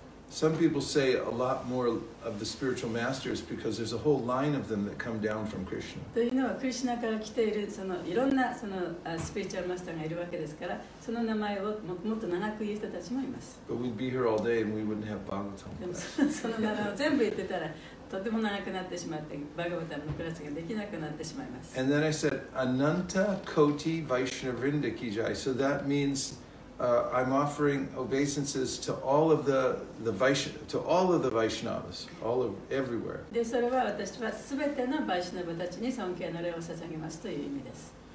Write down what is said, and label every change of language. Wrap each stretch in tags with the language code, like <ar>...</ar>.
<en>Some people say a lot more of the spiritual masters because there's a whole line of them that come down from Krishna.</en> <ja>というのはクリシュナから来ているそのいろんなそのスピリチュアルマスターがいるわけですから、その名前をもっと長く言う人たちもいます。</ja> <en>But we'd be here all day and we wouldn't have Bhagavatam.</en> <ja>その名前を全部言ってたらとても長くなってしまってバガヴァタムのクラスができなくなってしまいます。</ja> <en>And then I said, Ananta Koti Vaishnavrinda Ki Jai. So that means. I'm offering obeisances to all of the Vaishnavas, to all of the Vaishnavas, all of everywhere.</en> <ja>で、それは私はすべてのヴァイシナヴたちに尊敬の礼を捧げますという意味です。</ja>